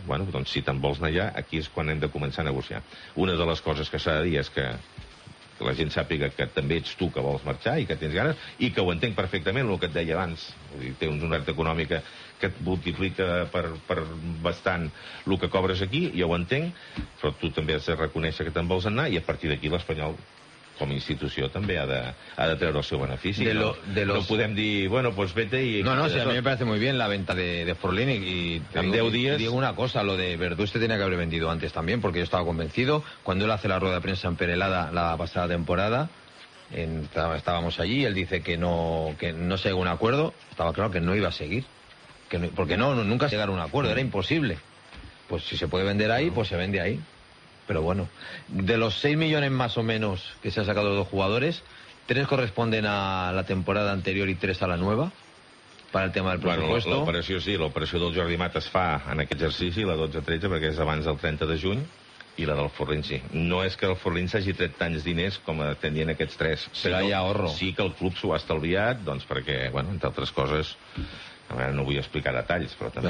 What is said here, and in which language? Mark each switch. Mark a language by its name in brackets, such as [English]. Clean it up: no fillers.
[Catalan] Bueno, doncs si te'n vols anar allà, aquí és quan hem de començar a negociar. Una de les coses que s'ha de dir és que la gent sàpiga que també ets tu que vols marxar i que tens ganes, i que ho entenc perfectament, el que et deia abans, té una oferta econòmica que et multiplica per bastant el que cobres aquí, ja ho entenc, però tu també has de reconèixer que te'n vols anar, i a partir d'aquí l'Espanyol com a institució també ha de treure el seu benefici. No podem dir, bueno, [Spanish] pues vete y... No, sí, a mí me parece muy bien la venta de Forlín y... En 10 días... Digo una cosa, lo de Verdú se tenía que haber vendido antes también, porque yo estaba convencido. Cuando él hace la rueda de prensa en Perelada la pasada temporada, estábamos allí, él dice que no se llegó a un acuerdo, estaba claro que no iba a seguir. Nunca se llegara a un acuerdo, era imposible. Pues si se puede vender ahí, pues se vende ahí. Pero bueno, de los 6 millones más o menos que se han sacado los dos jugadores, 3 corresponden a la temporada anterior y 3 a la nueva, para el tema del presupuesto. [Catalan] Bueno, l'operació sí, l'operació del Jordi Mata es fa en aquest exercici, la 12-13, perquè és abans del 30 de juny, i la del Forlín sí. No és que el Forlín s'hagi tret tants diners com tenien aquests 3. Però hi ha ahorro. Sí que el club s'ho ha estalviat, doncs perquè, bueno, entre altres coses... A veure, no vull explicar detalls, però també...